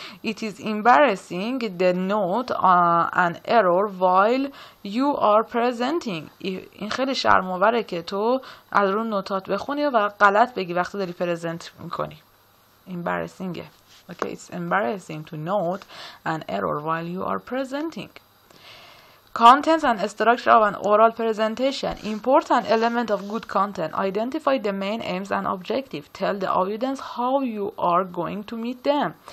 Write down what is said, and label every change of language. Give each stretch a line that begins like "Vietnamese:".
English: It is embarrassing the note an error while you are presenting.
Persian: این خیلی شرم‌آوره که تو از رو نوتات بخونی و غلط بگی وقتی داری پرزنت میکنی.
English: Embarrassing. Okay, it's embarrassing to note an error while you are presenting. Contents and structure of an oral presentation. Important element of good content. Identify the main aims and objective. Tell the audience how you are going to meet them.